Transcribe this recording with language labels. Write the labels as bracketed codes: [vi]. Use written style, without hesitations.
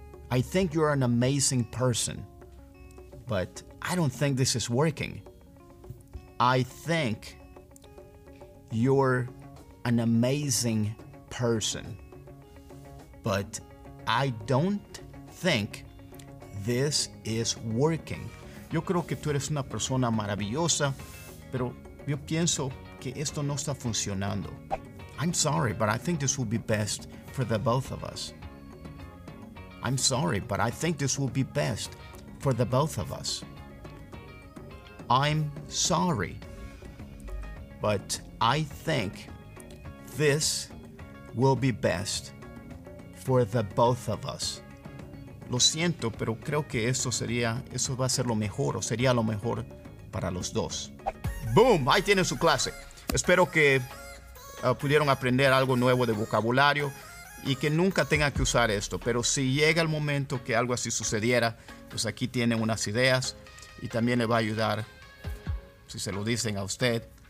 [en] I think you're an amazing person, but I don't think this is working. I think you're an amazing person, but I don't think this is working. [es] Yo creo que tú eres una persona maravillosa, pero yo pienso que esto no está funcionando. [en] I'm sorry, but I think this will be best for the both of us. I'm sorry, but I think this will be best for the both of us. I'm sorry, but I think this will be best for the both of us. [es] Lo siento, pero creo que esto sería, eso va a ser lo mejor, o sería lo mejor para los dos. Boom, ahí tienen su clase. Espero que pudieron aprender algo nuevo de vocabulario y que nunca tengan que usar esto. Pero si llega el momento que algo así sucediera, pues aquí tienen unas ideas y también le va a ayudar si se lo dicen a usted.